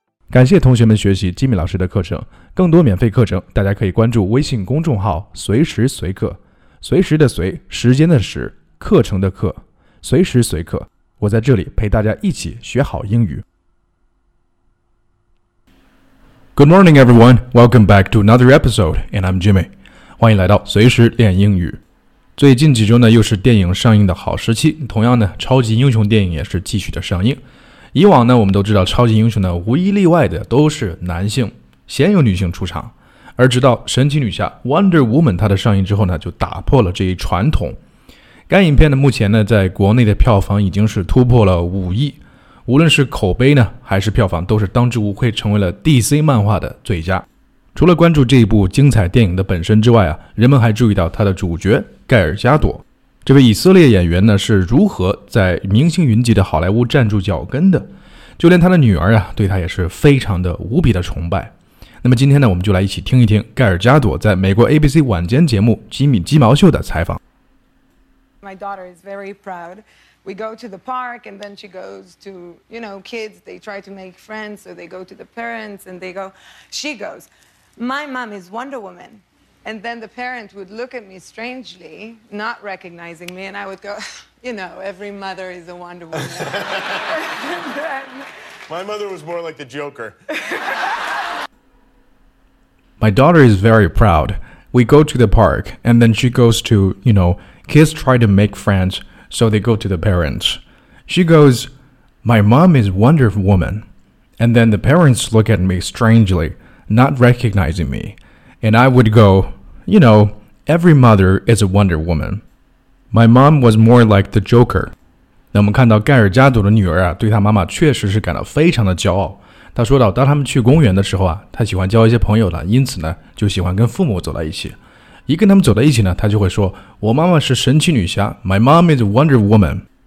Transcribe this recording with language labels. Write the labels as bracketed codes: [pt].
[zh] 感谢同学们学习吉米老师的课程。更多免费课程，大家可以关注微信公众号“随时随课”，随时的随，时间的时，课程的课，随时随课。我在这里陪大家一起学好英语。 Good morning, everyone. Welcome back to another episode, and I'm Jimmy. 欢迎来到随时练英语。最近几周呢，又是电影上映的好时期。同样呢，超级英雄电影也是继续的上映。以往呢，我们都知道超级英雄呢无一例外的都是男性，鲜有女性出场。而直到神奇女侠 Wonder Woman 她的上映之后呢，就打破了这一传统。该影片呢目前呢在国内的票房已经是突破了5亿，无论是口碑呢还是票房都是当之无愧成为了 DC 漫画的最佳。除了关注这一部精彩电影的本身之外啊，人们还注意到她的主角盖尔加朵。这位以色列演员呢是如何在明星云集的好莱坞站住脚跟的，就连他的女儿啊对他也是非常的无比的崇拜。那么今天呢，我们就来一起听一听盖尔加朵在美国 ABC 晚间节目吉米鸡毛秀的采访。 [en] My daughter is very proud. We go to the park and then she goes to, you know, kids, they try to make friends, so they go to the parents and they go, she goes, my mom is Wonder Woman. And then the parent would look at me strangely, not recognizing me, and I would go, you know, every mother is a Wonder Woman. My mother was more like the Joker. My daughter is very proud. We go to the park, and then she goes to, you know, kids try to make friends, so they go to the parents. She goes, my mom is Wonder Woman. And then the parents look at me strangely, not recognizing me. And I would go, you know, every mother is a Wonder Woman. My mom was more like the Joker. [zh] 那我们看到盖尔加朵的女儿啊，对她妈妈确实是感到非常的骄傲。她说到，当他们去公园的时候啊，她喜欢交一些朋友了，因此呢，就喜欢跟父母走在一起。一跟他们走在一起呢，她就会说，我妈妈是神奇女侠 ， [en] My mom is Wonder Woman。